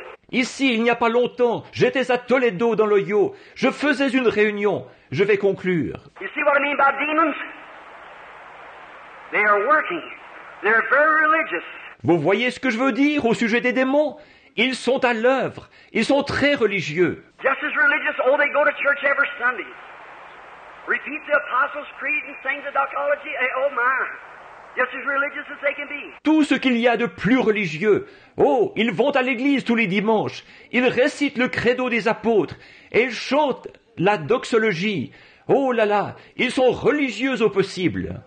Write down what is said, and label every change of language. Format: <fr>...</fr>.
<fr>Ici, il n'y a pas longtemps, j'étais à Toledo dans l'Ohio. Je faisais une réunion. Je vais conclure.</fr> <en>You see what I mean by demons? They are working. They're very religious.</en> <fr>Vous voyez ce que je veux dire au sujet des démons? Ils sont à l'œuvre. Ils sont très religieux.</fr> <en>Just as religious, oh, they go to church every Sunday. Repeat the Apostles' Creed and sing the doxology. Oh my. Just as religious as they can be.</en> <fr>Tout ce qu'il y a de plus religieux. Oh, ils vont à l'église tous les dimanches. Ils récitent le credo des apôtres. Et ils chantent la doxologie. Oh là là, ils sont religieux au possible.</fr>